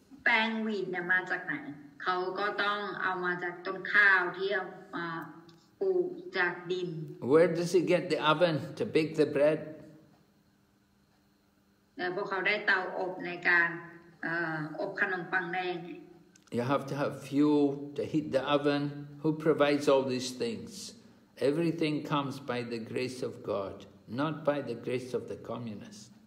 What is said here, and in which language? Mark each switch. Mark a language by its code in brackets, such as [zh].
[th] แป้งวีดเนี่ยมาจากไหนเขาก็ต้องเอามาจากต้นข้าวที่ปลูกจากดิน [en] Where does he get the oven to bake the bread? [th] แล้วพวกเขาได้เตาอบในการอบขนมปังแดง [en] You have to have fuel to heat the oven. Who provides all these things? Everything comes by the grace of God, not by the grace of the communists.